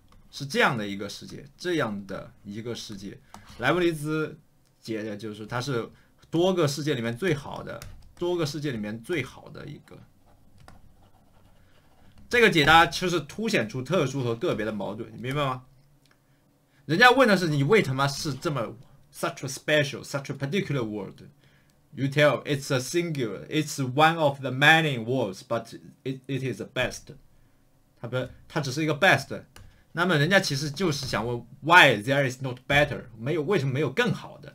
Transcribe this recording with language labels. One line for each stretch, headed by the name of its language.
Chinese: 是这样的一个世界，这样的一个世界。莱布尼兹解的就是它是多个世界里面最好的，多个世界里面最好的一个。这个解答就是凸显出特殊和个别的矛盾，你明白吗？人家问的是你为什么是这么
English: such a special, such a particular world? You tell it's a singular, it's one of the many worlds, but it is the best.
Chinese: 它只是一个 best。那么人家其实就是想问
English: why there is not better?
Chinese: 没有，为什么没有更好的？